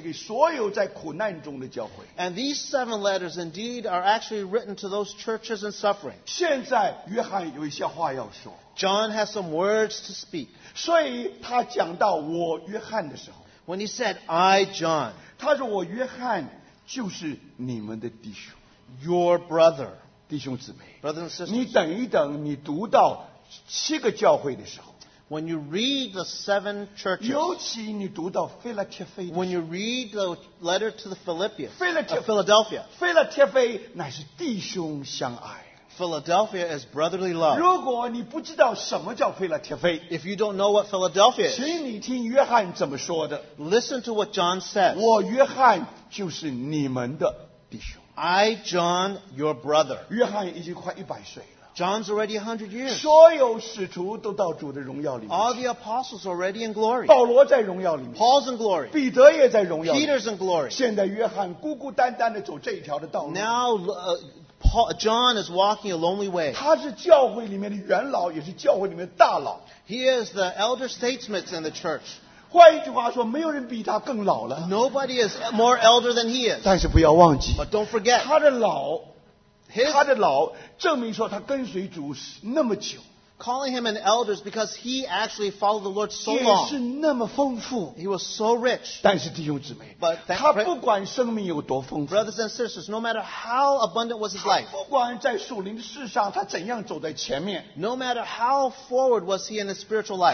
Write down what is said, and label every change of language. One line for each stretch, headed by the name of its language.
Chinese: 这七封书信实在说了也是写给所有在苦难中的教会。
English: And these 7 letters indeed are actually written to those churches in suffering.
Chinese: 现在约翰有一些话要说。
English: John has some words to speak.
Chinese: 所以他讲到我约翰的时候,
English: when he said, I, John,
Chinese: 他说我约翰就是你们的弟兄。
English: Your brother,
Chinese: 弟兄姊妹,
English: brothers and sisters,
Chinese: 你等一等, 你读到七个教会的时候,
English: when you read the 7 churches,
Chinese: 尤其你读到腓立帖腓的时候,
English: when you read the letter to the Philippians,
Chinese: Philadelphia, 腓立帖腓乃是弟兄相爱。
English: Philadelphia is brotherly love.
Chinese: 如果你不知道什么叫腓立帖腓,
English: if you don't know what Philadelphia is,
Chinese: 请你听约翰怎么说的,
English: listen to what John says.
Chinese: 我约翰就是你们的弟兄。
English: I, John, your brother.
Chinese: 约翰已经快100岁了。
English: John's already 100 years.
Chinese: 所有使徒都到主的荣耀里面。
English: All the apostles already in glory.
Chinese: 保罗在荣耀里面。
English: Paul's in glory.
Chinese: 彼得也在荣耀里面。
English: Peter's in glory.
Chinese: 现在约翰孤孤单单地走这一条的道路。
English: Now, John is walking a lonely way.
Chinese: 他是教会里面的元老，也是教会里面的大佬。
English: He is the elder statesman in the church.
Chinese: 换一句话说, 没有人比他更老了。
English: Nobody is more elder than he is.
Chinese: 但是不要忘记,
English: but don't forget,
Chinese: 他的老, 他的老证明说他跟随主那么久。
English: Calling him an elder is because he actually followed the Lord so long.
Chinese: 也是那么丰富,
English: he was so rich.
Chinese: 但是弟兄姊妹,
English: but that, brothers and sisters, no matter how abundant was his life,
Chinese: 他不管在属灵的世上,
English: no matter how forward was he in his spiritual life,